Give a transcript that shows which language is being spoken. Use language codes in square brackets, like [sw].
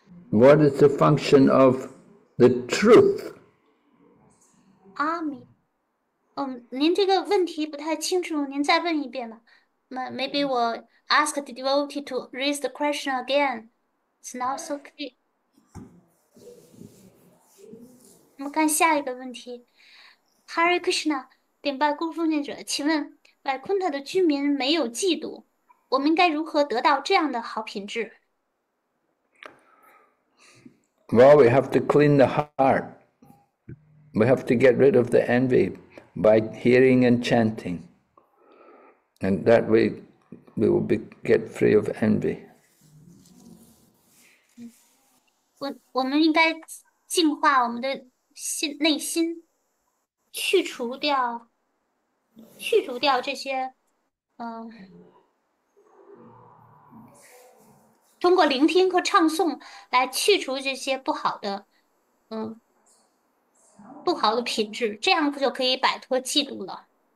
[en] What is the function of the truth? Army. [zh] 您这个问题不太清楚，您再问一遍吧。 [en] Maybe 我 ask the devotee to raise the question again. It's not so clear. [zh] 我们看下一个问题，Hare Krishna。顶拜孤奉献者，请问拜昆特的居民没有嫉妒，我们应该如何得到这样的好品质？ [en] Well, we have to clean the heart. We have to get rid of the envy by hearing and chanting. And that way we will be get free of envy. [zh] 我们应该净化我们的心内心，去除掉这些，通过聆听和唱诵来去除这些不好的品质，这样不就可以摆脱嫉妒了？